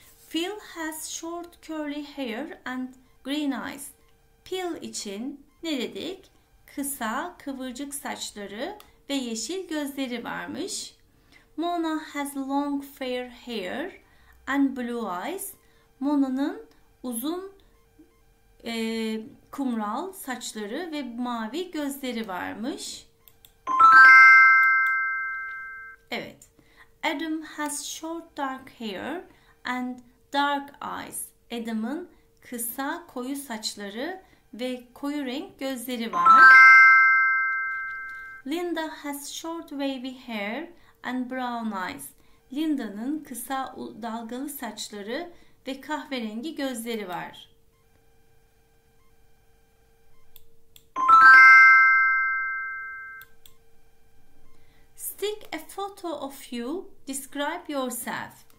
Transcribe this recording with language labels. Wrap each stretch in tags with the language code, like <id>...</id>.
<en>Phil has short curly hair and green eyes.</en> <tr>Phil için ne dedik? Kısa kıvırcık saçları ve yeşil gözleri varmış.</tr> <en>Mona has long fair hair and blue eyes.</en> <tr>Mona'nın uzun kumral saçları ve mavi gözleri varmış. Evet.</tr> <en>Adam has short dark hair and dark eyes.</en> <tr>Adam'ın kısa koyu saçları ve koyu renk gözleri var.</tr> <en>Linda has short wavy hair and brown eyes.</en> <tr>Linda'nın kısa dalgalı saçları ve kahverengi gözleri var.</tr> <en>Stick a photo of you, describe yourself.</en>